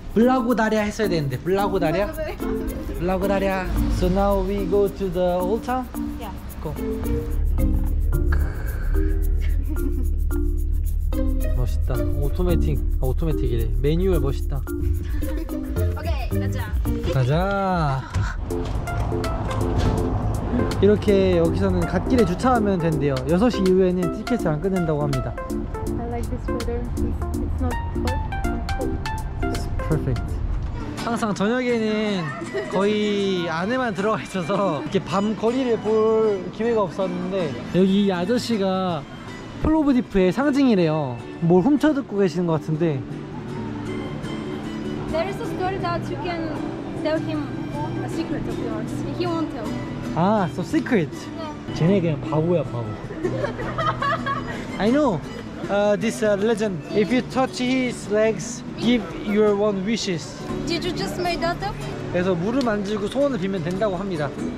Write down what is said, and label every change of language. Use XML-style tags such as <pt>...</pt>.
<ko>블라고다랴 했어야 되는데 블라고다랴? 블라고다랴.</ko> <en>So now we go to the old town? Yeah. Go.</en> <ko>멋있다. 오토매틱. 오토매틱이래. 매뉴얼 멋있다. 오케이. 가자. 가자. 이렇게 여기서는 갓길에 주차하면 된대요. 6시 이후에는 티켓을 안 끊는다고 합니다.</ko> <en>I like this weather. It's not cold. Perfect.</en> <ko>항상 저녁에는 거의 안에만 들어가 있어서 이렇게 밤 거리를 볼 기회가 없었는데 여기 이 아저씨가 플로브디프의 상징이래요. 뭘 훔쳐 듣고 계시는 것 같은데.</ko> <en>There is a story that you can tell him a secret of yours. He won't tell. 아, so secret. Yeah.</en> <ko>쟤네 그냥 바보야, 바보.</ko> <en>I know. This religion. Yeah. If you touch his legs, give your one wishes. Did you just make that up?</en> <ko>그래서 물을 만지고 소원을 빌면 된다고 합니다.</ko>